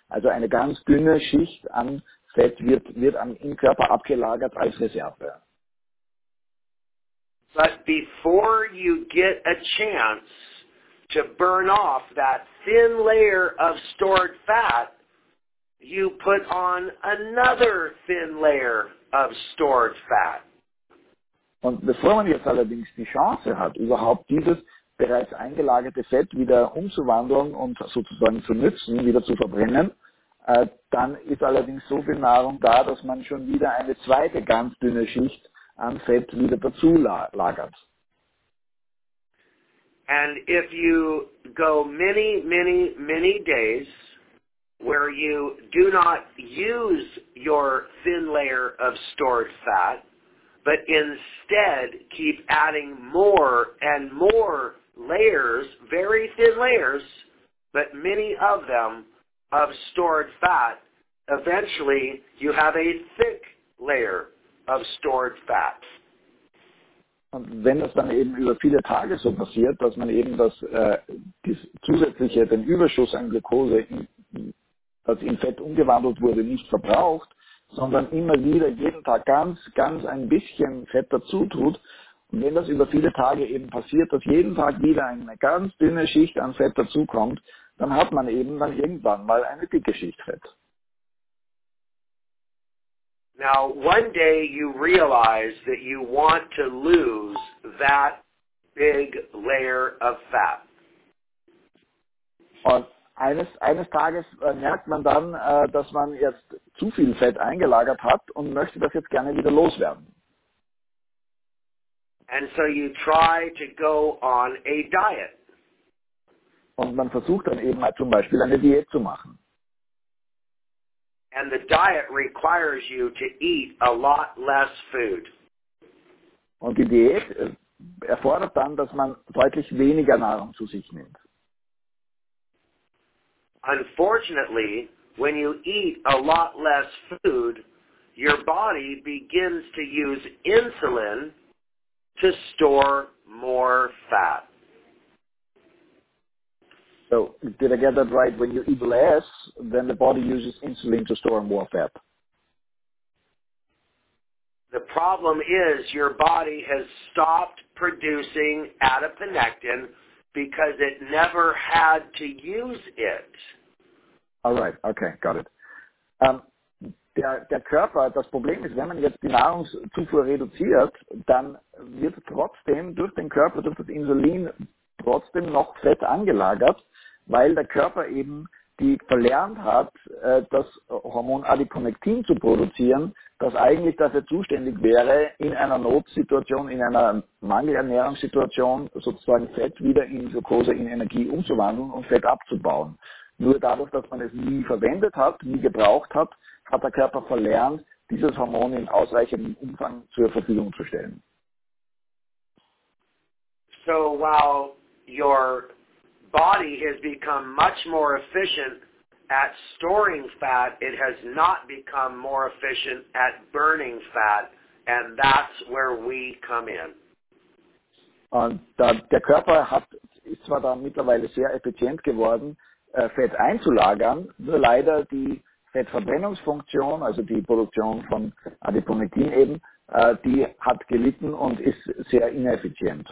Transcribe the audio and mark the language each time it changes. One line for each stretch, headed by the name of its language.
German: Also eine ganz dünne Schicht an Fett wird im Körper abgelagert als Reserve.
English: But before you get a chance to burn off that thin layer of stored fat, you put on another thin layer of stored fat.
German: Und bevor man jetzt allerdings die Chance hat, überhaupt dieses bereits eingelagerte Fett wieder umzuwandeln und sozusagen zu nützen, wieder zu verbrennen, dann ist allerdings so viel Nahrung da, dass man schon wieder eine zweite ganz dünne Schicht an Fett wieder dazu lagert.
English: And if you go many, many, many days where you do not use your thin layer of stored fat, but instead keep adding more and more layers, very thin layers, but many of them of stored fat, eventually you have a thick layer of stored fat.
German: Und wenn das dann eben über viele Tage so passiert, dass man eben den Überschuss an Glucose, das in Fett umgewandelt wurde, nicht verbraucht, sondern immer wieder jeden Tag ganz, ganz ein bisschen Fett dazu tut. Und wenn das über viele Tage eben passiert, dass jeden Tag wieder eine ganz dünne Schicht an Fett dazukommt, dann hat man eben dann irgendwann mal eine dicke Schicht Fett.
English: Now, one day you realize that you want to lose that big layer of fat.
German: Und eines Tages merkt man dann, dass man jetzt zu viel Fett eingelagert hat und möchte das jetzt gerne wieder loswerden.
English: And so you try to go on a diet.
German: Und man versucht dann eben zum Beispiel eine Diät zu machen.
English: And the diet requires you to eat a lot less food.
German: Und die Diät erfordert dann, dass man deutlich weniger Nahrung zu sich nimmt.
English: Unfortunately, when you eat a lot less food, your body begins to use insulin to store more fat. So, did I get that right? When you eat less, then the body uses insulin to store more fat. The problem is your body has stopped producing adiponectin because it never had to use it. All right, okay, got it.
German: Der Körper, das Problem ist, wenn man jetzt die Nahrungszufuhr reduziert, dann wird trotzdem durch den Körper, durch das Insulin, trotzdem noch Fett angelagert, weil der Körper eben verlernt hat, das Hormon Adiponektin zu produzieren, das eigentlich dafür zuständig wäre, in einer Notsituation, in einer Mangelernährungssituation sozusagen Fett wieder in Glucose, in Energie umzuwandeln und Fett abzubauen. Nur dadurch, dass man es nie verwendet hat, nie gebraucht hat, hat der Körper verlernt, dieses Hormon in ausreichendem Umfang zur Verfügung zu stellen.
English: So while your body has become much more efficient at storing fat. It has not become more efficient at burning fat, and that's where we come in.
German: Und der Körper hat, ist zwar da mittlerweile sehr effizient geworden, Fett einzulagern, nur leider die Fettverbrennungsfunktion, also die Produktion von Adiponektin eben, die hat gelitten und ist sehr ineffizient.